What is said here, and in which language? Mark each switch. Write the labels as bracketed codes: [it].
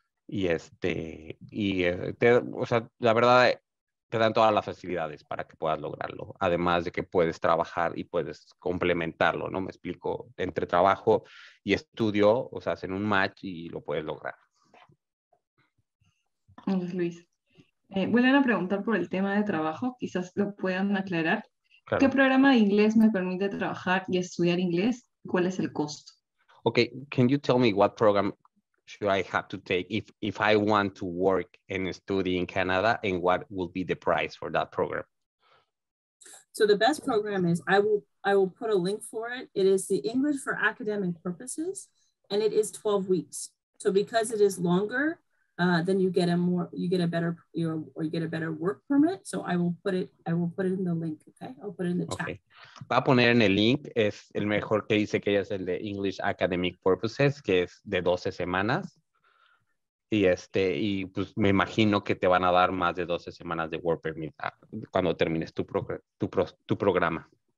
[es] Y la verdad, te dan todas las facilidades para que puedas lograrlo, además de que puedes trabajar y puedes complementarlo, ¿no? Me explico, entre trabajo y estudio, o sea, hacen un match y lo puedes lograr. Luis, vuelven a preguntar por el tema de trabajo, quizás lo puedan aclarar. Claro. ¿Qué programa de inglés me permite trabajar y estudiar inglés? ¿Cuál es el costo? [en] Okay, can you tell me what program should I have to take if I want to work and study in Canada, and what will be the price for that program? So the best program is, I will put a link for it. It is the English for Academic Purposes, and it is 12 weeks. So because it is longer, then you get a better work permit. So I will put it in the link. Okay, I'll put it in the chat. Okay. [es] Va a poner en el link, es el mejor, que dice que es el de English Academic Purposes, que es de 12 semanas. Y y pues me imagino que te van a dar más de 12 semanas de work permit cuando termines tu programa.